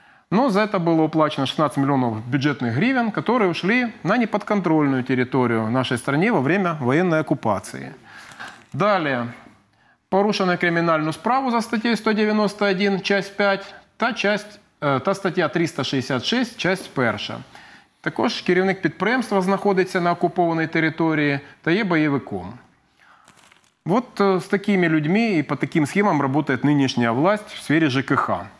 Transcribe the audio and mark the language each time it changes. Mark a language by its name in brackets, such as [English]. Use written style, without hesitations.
[Russian] Но за это было уплачено 16 миллионов бюджетных гривен, которые ушли на неподконтрольную территорию нашей страны во время военной оккупации. Далее. [Ukrainian] Порушено криминальную справу за статьей 191, часть 5, та статья 366, часть 1. Також керівник підприємства знаходиться на окупованій території та є бойовиком. [Russian] Вот с такими людьми и по таким схемам работает нынешняя власть в сфере ЖКХ.